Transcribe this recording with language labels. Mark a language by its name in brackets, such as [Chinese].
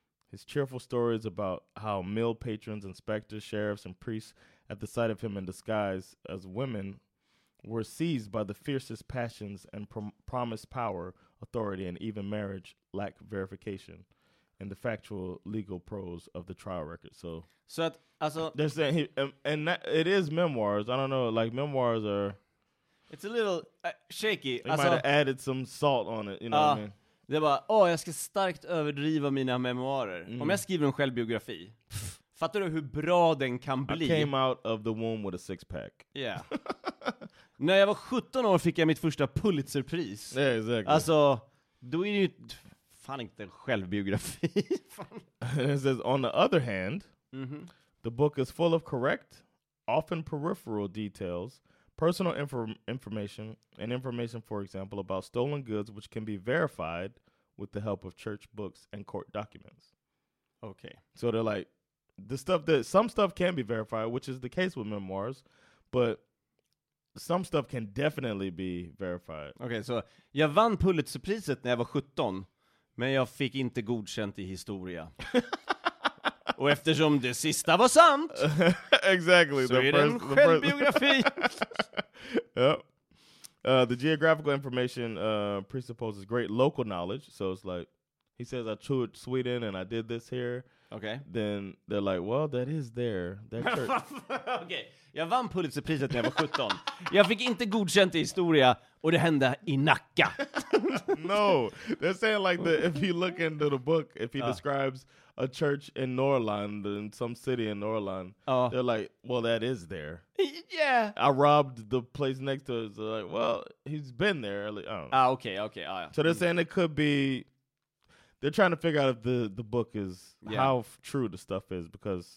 [English] His cheerful stories about how mill patrons, inspectors, sheriffs, and priests at the sight of him in disguise as women were seized by the fiercest passions and promised power, authority, and even marriage lack verification in the factual legal prose of the trial record. So they're saying, it is memoirs. I don't know, like memoirs are... It's a little shaky. They might have added some salt on it, you know what I mean? [Swedish] Det är bara, jag ska starkt överdriva mina memoarer. Mm. Om jag skriver en självbiografi, fattar du hur bra den kan bli? [English] I came out of the womb with a six pack. Yeah. [Swedish] När jag var 17 år fick jag mitt första Pulitzerpris. Ja, [English] yeah, exactly. [Swedish] Alltså, då är det ju fan inte en självbiografi. [English] It says, on the other hand, The book is full of correct, often peripheral details, personal information, and information, for example, about stolen goods, which can be verified with the help of church books and court documents. Okay. So they're like, the stuff that some stuff can be verified, which is the case with memoirs, but some stuff can definitely be verified. [Swedish] Okay, så jag vann Pulitzerpriset när jag var 17, men jag fick inte godkänt i historia. Och eftersom det sista var sant. [English] Exactly. [Swedish] Så the är first, det en självbiografi. [English] Yep. The geographical information presupposes great local knowledge. So it's like, he says, I toured Sweden and I did this here. Okay. Then they're like, well, that is there. That church. Okay. [Swedish] Jag vann Pulitzerpriset när jag var 17. Jag fick inte godkänt i historia och det hände i Nacka. [English] No. They're saying like, the, if you look into the book, if he describes a church in Norrland, in some city in Norrland, they're like, well, that is there. Yeah. I robbed the place next to it. So like, well, he's been there. I don't know. Ah, okay, okay. So they're saying it could be, they're trying to figure out if the book is, how true the stuff is, because,